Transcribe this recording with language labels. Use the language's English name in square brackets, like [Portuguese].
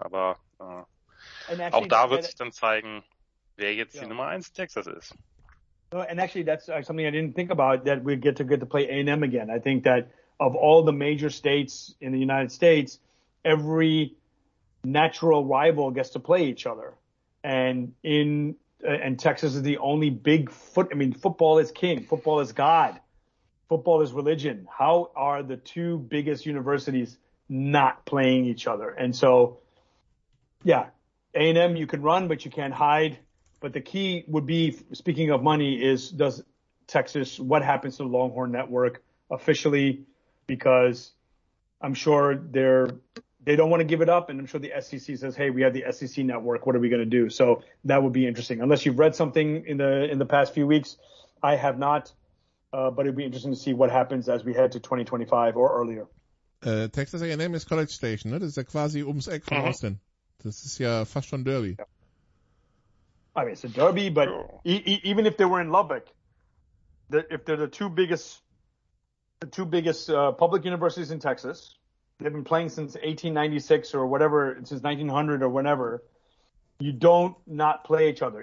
[German] Aber auch da wird sich dann zeigen, wer jetzt die Nummer 1 Texas ist. [English] So, and actually, that's something I didn't think about, that we get to play A&M again. I think that of all the major states in the United States, every natural rival gets to play each other. And Texas is the only big foot. I mean, football is king. Football is God. Football is religion. How are the two biggest universities not playing each other? And so, yeah, A&M, you can run, but you can't hide. But the key would be, speaking of money, is does Texas, what happens to the Longhorn Network officially? Because I'm sure they don't want to give it up, and I'm sure the SEC says, hey, we have the SEC Network. What are we going to do? So that would be interesting. Unless you've read something in the past few weeks, I have not. But it would be interesting to see what happens as we head to 2025 or earlier. Texas A&M is College Station. Ne? [German] Das ist ja quasi ums Eck von Austin. Das ist ja fast schon Derby. [English] Yeah. I mean, it's a derby, but even if they were in Lubbock, if they're the two biggest public universities in Texas, they've been playing since 1896 or whatever, since 1900 or whenever, you don't not play each other.